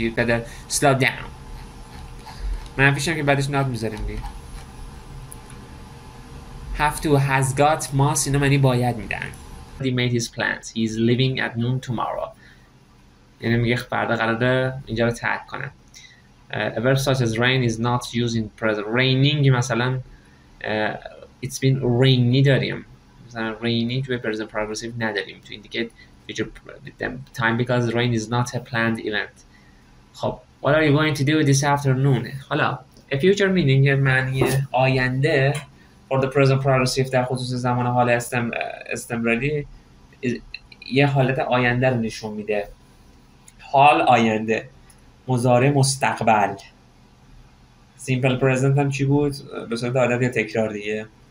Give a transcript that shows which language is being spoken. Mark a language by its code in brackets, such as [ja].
[en] You better slow down. [fa] من فیشم که بعدش not میذاریم دیگه. [en] have to has got must [fa] اینا معنی باید میدن. [en] He made his plans. He is leaving at noon tomorrow. [fa] یعنی میگه فردا قراره اینجا رو ترک کنه. [en] A verb such as rain is not used in present. Raining مثلا it's been rainy داریم. مثلا rainy توی present progressive [fa] نداریم [en] to indicate future time because rain is not a planned event. خب what are you going to do this afternoon? [fa] حالا [en] a future meaning [fa] معنی آینده [en] for the present progressive [fa] در خصوص زمان حال استمراری یه حالت آینده رو نشون میده. حال آینده مضارع مستقبل. سیمپل پرزنت هم چی بود؟ به صورت عادت یا تکرار دیگه.